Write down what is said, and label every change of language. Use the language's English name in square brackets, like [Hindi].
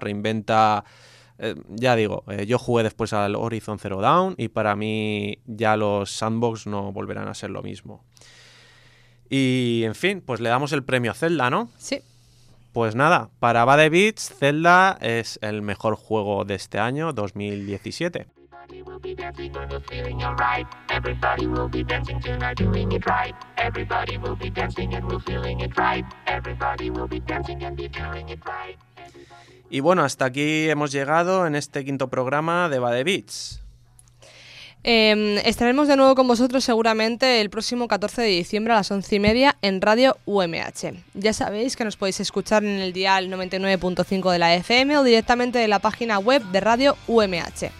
[Spanish] Reinventa, yo jugué después al Horizon Zero Dawn y para mí ya los sandbox no volverán a ser lo mismo. Y, en fin, pues le damos el premio a Zelda, ¿no? Sí. Pues nada, para Bad Beats, Zelda es el mejor juego de este año, 2017. [English] Will be dancing on the feeling all right. Everybody will be dancing tonight, doing it right. Everybody will be dancing and we're feeling it right. Everybody will be dancing and be doing it right. [Spanish] Y bueno, hasta aquí hemos llegado en este quinto programa de Bad Beats. Estaremos de nuevo con vosotros seguramente el próximo 14 de diciembre a las 11:30 en Radio UMH. Ya sabéis que nos podéis escuchar en el dial 99.5 de la FM o directamente de la página web de Radio UMH.